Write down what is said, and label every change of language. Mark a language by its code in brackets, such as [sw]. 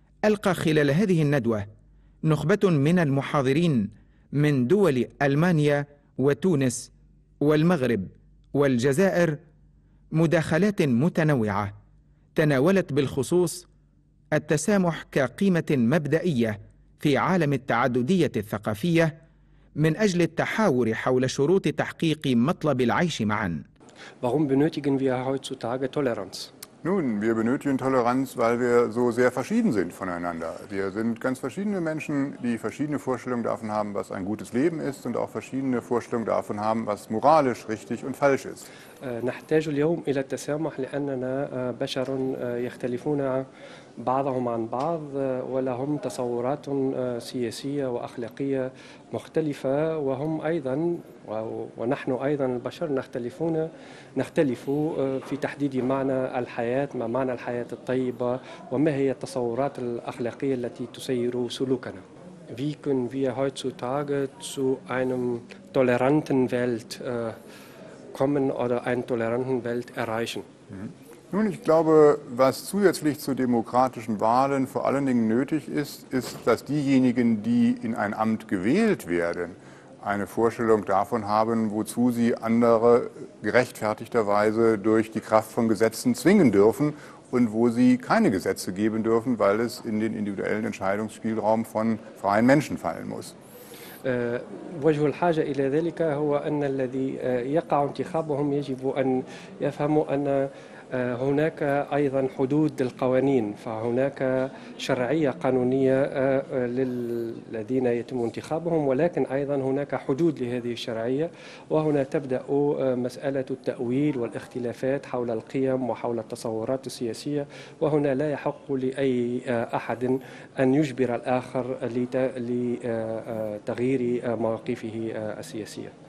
[ar] ألقى خلال هذه الندوة نخبة من المحاضرين من دول ألمانيا وتونس والمغرب والجزائر مداخلات متنوعة تناولت بالخصوص التسامح كقيمة مبدئية في عالم التعددية الثقافية من أجل التحاور حول شروط تحقيق مطلب العيش معا. [de] Warum benötigen wir heutzutage Toleranz? Nun, wir benötigen Toleranz, weil wir so sehr verschieden sind voneinander. Wir sind ganz verschiedene Menschen, die verschiedene Vorstellungen davon haben, was ein gutes Leben ist und auch verschiedene Vorstellungen davon haben, was moralisch richtig und falsch ist. [ar] نحتاج اليوم إلى التسامح لأننا بشر يختلفون بعضهم عن بعض ولهم تصورات سياسية وأخلاقية مختلفة، وهم أيضا ونحن أيضا البشر نختلف في تحديد معنى الحياة، ما معنى الحياة الطيبة وما هي التصورات الأخلاقية التي تسير سلوكنا. [de] Wie können wir heutzutage zu einem toleranten Welt kommen oder einen toleranten Welt erreichen? Nun, ich glaube, was zusätzlich zu demokratischen Wahlen vor allen Dingen nötig ist, ist, dass diejenigen, die in ein Amt gewählt werden, eine Vorstellung davon haben, wozu sie andere gerechtfertigterweise durch die Kraft von Gesetzen zwingen dürfen und wo sie keine Gesetze geben dürfen, weil es in den individuellen Entscheidungsspielraum von freien Menschen fallen muss. [ar] وجه الحاجة إلى ذلك هو أن الذي يقع انتخابهم يجب أن يفهموا أن هناك أيضا حدود للقوانين، فهناك شرعية قانونية للذين يتم انتخابهم، ولكن أيضا هناك حدود لهذه الشرعية، وهنا تبدأ مسألة التأويل والاختلافات حول القيم وحول التصورات السياسية، وهنا لا يحق لأي أحد أن يجبر الآخر لتغيير مواقفه السياسية.